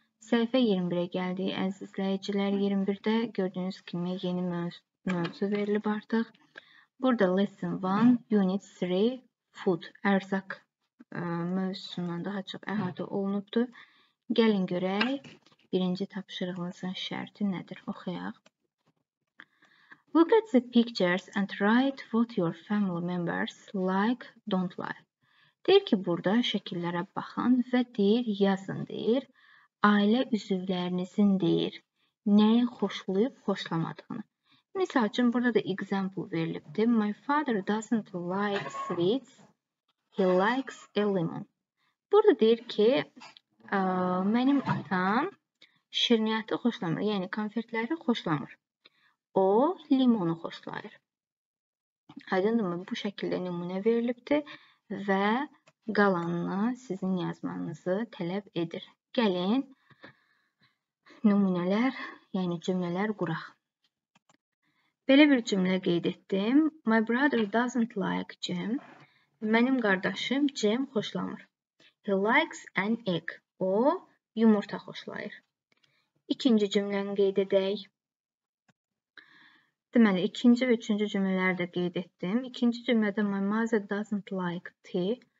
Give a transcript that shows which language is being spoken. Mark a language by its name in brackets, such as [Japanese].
[Azerbaijani] Səhifə 21'e geldi. Əziz izləyicilər, 21'də gördüyünüz kimi yeni mövzu verilib artıq. Burada [English] lesson 1, unit 3, food, [Azerbaijani] ərzaq mövzusundan daha çox əhatə olunubdur. Gəlin görək, birinci tapışırığımızın şərti nədir? Oxuyaq. [English] Look at the pictures and write what your family members like, don't like. [Azerbaijani] Deyir ki, burada şəkillərə baxın və deyir, yazın deyir, ailə üzvlərinizin deyir, nəyi xoşlayıb, xoşlamadığını. Misal üçün, burada da example verilibdir. [English] My father doesn't like sweets, he likes a lemon. [Azerbaijani] Burada deyir ki, mənim atam şirniyyatı xoşlamır, yəni konfetləri xoşlamır. O, limonu xoşlayır. Aydındır mı? Bu şəkildə nümunə verilibdir və qalanını sizin yazmanızı tələb edir. Gəlin, nümunələr, yəni cümlələr quraq. Belə bir cümlə qeyd etdim. [English] My brother doesn't like Jim. [Azerbaijani] Mənim qardaşım Jim xoşlamır. [English] He likes an egg. [Azerbaijani] O, yumurta xoşlayır. İkinci cümləni qeyd edək. Deməli, ikinci və üçüncü cümlələri də qeyd etdim. İkinci cümlədə [English] my mother doesn't like tea.